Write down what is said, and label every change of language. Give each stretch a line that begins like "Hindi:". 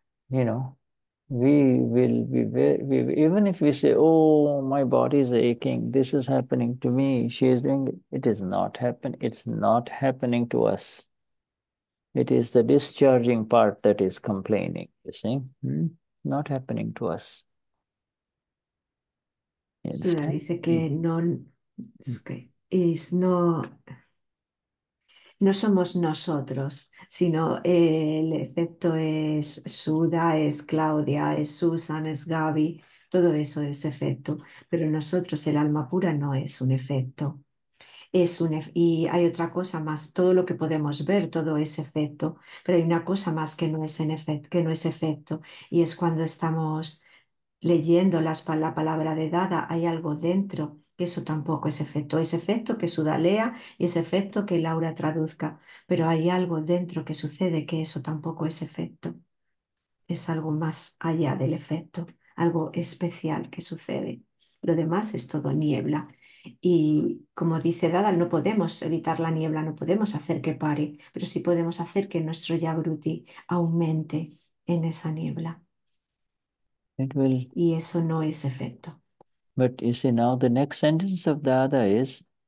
English: You know, we will be very, even if we say, oh, my body is aching, this is happening to me, she is doing it. It is not happening. It's not happening to us. It is the discharging part that is complaining, you see? Not happening to us. You
Spanish: Suda
English: understand?
Spanish: dice que no, okay, es no, no somos nosotros, sino el efecto es Suda, es Claudia, es Susan, es Gaby, todo eso es efecto, pero nosotros, el alma pura, no es un efecto. Es un efe y hay otra cosa más, todo lo que podemos ver, todo es efecto, pero hay una cosa más que no es, en efect que no es efecto, y es cuando estamos leyendo la palabra de Dada, hay algo dentro, que eso tampoco es efecto. Es efecto que Suda lea y es efecto que Laura traduzca, pero hay algo dentro que sucede que eso tampoco es efecto. Es algo más allá del efecto, algo especial que sucede. Lo demás es todo niebla. Y como dice Dada, no podemos evitar la niebla, no podemos hacer que pare, pero sí podemos hacer que nuestro jagruti aumente en esa niebla.
English: It will.
Spanish: Y eso no es efecto.
English: But you see, now the next sentence of Dada is,